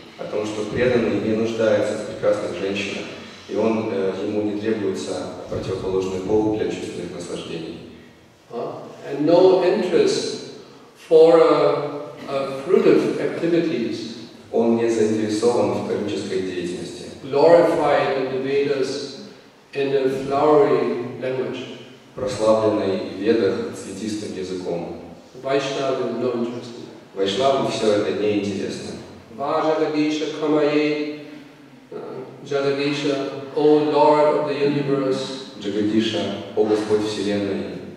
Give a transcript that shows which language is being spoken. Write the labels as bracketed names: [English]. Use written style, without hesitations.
[Russian] О том, что преданный не нуждается в прекрасных женщинах, и он ему не требуется противоположный пол для чувственных наслаждений. [English] And no interest for fruitive activities. [Russian] Он не заинтересован в кармической деятельности. [English] Glorified in the Vedas in a flowery language. [Russian] Прославленный в Ведах цветистым языком. [English] Vaishnava no interest. [Russian] Вайшнаву все это не интересно. [English] Vajagadisha kamaye Jagadisha, O Lord of the universe. [Russian] Jagadisha, O Господь Вселенной.